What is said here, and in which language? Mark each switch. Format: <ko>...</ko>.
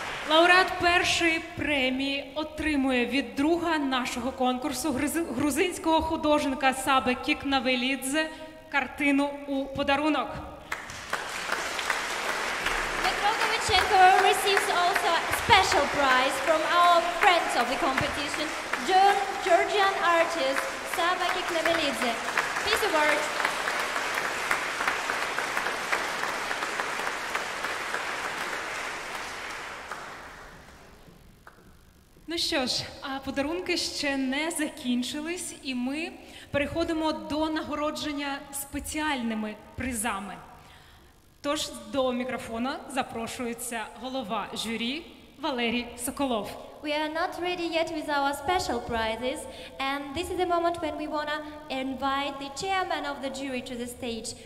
<uk>Лауреат першої премії отримує від друга нашого конкурсу грузинського художника Саби Кікнавелідзе картину у подарунок.</uk> <en>Дмитро Довиченко receives also a special prize from our friends of the competition, Georgian artist Saba Kikknavelidze. His award.</en> <uk>Ну що ж, а подарунки ще не закінчились, і ми переходимо до нагородження спеціальними призами. Тож до мікрофона запрошується голова журі Валерій Соколов.</uk> <en>We are not ready yet with our special prizes, and this is the moment when we wanna invite the chairman of the jury to the stage.</en>